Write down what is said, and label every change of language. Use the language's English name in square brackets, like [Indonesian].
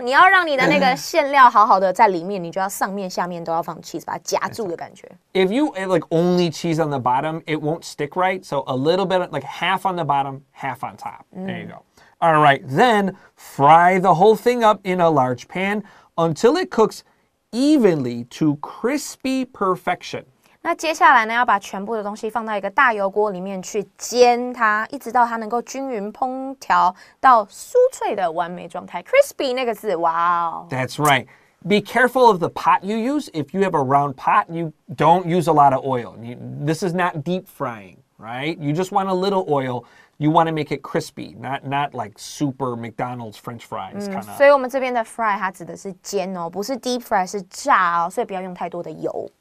[Chinese] 你要让你的那个馅料好好的在里面，你就要上面下面都要放 cheese， 把它夹住的感觉。 [English] If you add like only cheese on the bottom, it won't stick right. So a little bit, like half on the bottom, half on top. There you go. All right, then fry the whole thing up in a large pan until it cooks evenly to crispy perfection. [Chinese] 那接下来呢，要把全部的东西放到一个大油锅里面去煎它，一直到它能够均匀烹调到酥脆的完美状态。 Crispy 那个字，哇哦！ [English] That's right. Be careful of the pot you use. If you have a round pot, you don't use a lot of oil. This is not deep frying, right? You just want a little oil. You want to make it crispy, not like super McDonald's French fries kind of. [Chinese] 所以我们这边的 fry 它指的是煎哦，不是 deep fry， 是炸哦，所以不要用太多的油。